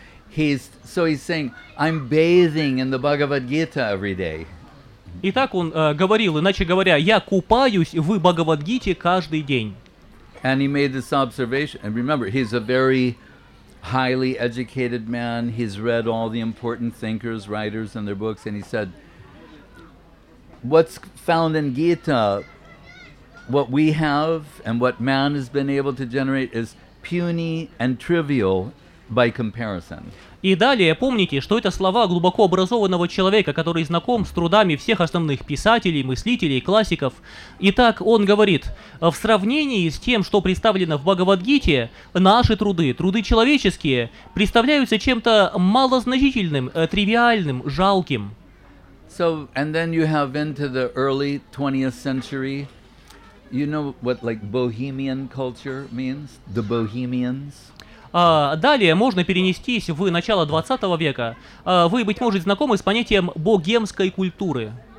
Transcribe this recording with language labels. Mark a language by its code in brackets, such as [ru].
[en] He's saying, I'm bathing in the Bhagavad Gita every day. [ru] И так он говорил, иначе говоря, я купаюсь в Бхагавад-гите каждый день. [en] And he made this observation. And remember, he's a very highly educated man. He's read all the important thinkers, writers and their books. And he said, what's found in Gita, what we have and what man has been able to generate is puny and trivial by comparison. [ru] И далее помните, что это слова глубоко образованного человека, который знаком с трудами всех основных писателей, мыслителей, классиков. Итак, он говорит, в сравнении с тем, что представлено в Бхагавад-гите, наши труды, труды человеческие, представляются чем-то малозначительным, тривиальным, жалким. [en] So, and then you have into the early 20th century, you know what like bohemian culture means? The bohemians? [ru] Далее можно перенестись в начало 20 века. Вы, быть может, знакомы с понятием богемской культуры.